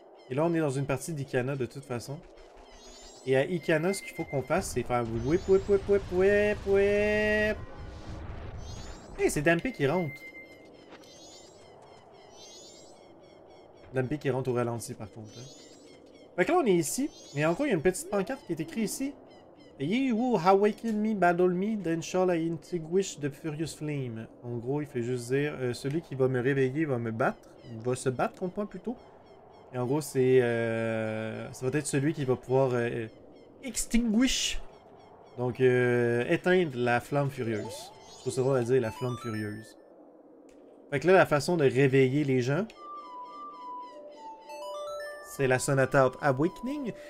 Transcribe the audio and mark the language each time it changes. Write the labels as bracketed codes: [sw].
[fr] Et là, on est dans une partie d'Ikana, de toute façon. Et à Ikana, ce qu'il faut qu'on fasse, c'est faire whip, whip, whip, whip, whip, whip, whip. Hey, c'est Dampy qui rentre. Dampy qui rentre au ralenti, par contre. Hein. Fait que là, on est ici. Mais encore, il y a une petite pancarte qui est écrite ici. [en] Yeehoo, awaken me, battle me, then shall I extinguish the furious flame. [fr] En gros, il fait juste dire, celui qui va me réveiller va me battre. Va se battre contre moi, plutôt. Et en gros, c'est ça va être celui qui va pouvoir extinguish, donc éteindre la flamme furieuse. Je trouve ça drôle à dire, la flamme furieuse. Fait que là, la façon de réveiller les gens, c'est la [en] sonata of awakening.